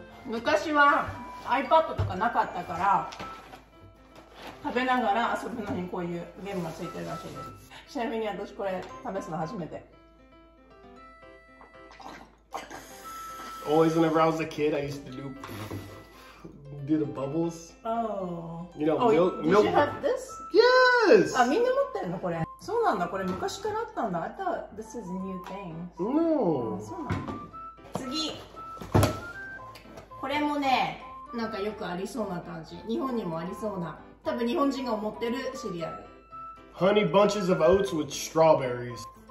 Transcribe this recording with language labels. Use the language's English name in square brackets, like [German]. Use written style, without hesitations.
[Japanese] 昔は iPad とかなかったから、食べながら遊ぶのにこういうゲームがついてるらしいです。ちなみに私これ試すの初めて。 [English] Always whenever I was a kid, I used to do the bubbles. Oh. You know, oh, milk. Did you have this? Yes! [Japanese] あ、みんな持ってるのこれ。そうなんだ、これ昔からあったんだ。 [English] I thought this is a new thing. No. [Japanese] そうなんだ。次。これもね、なんかよくありそうな感じ。日本にもありそうな。多分日本人が持ってるシリアル。 [English] Honey bunches of oats with strawberries.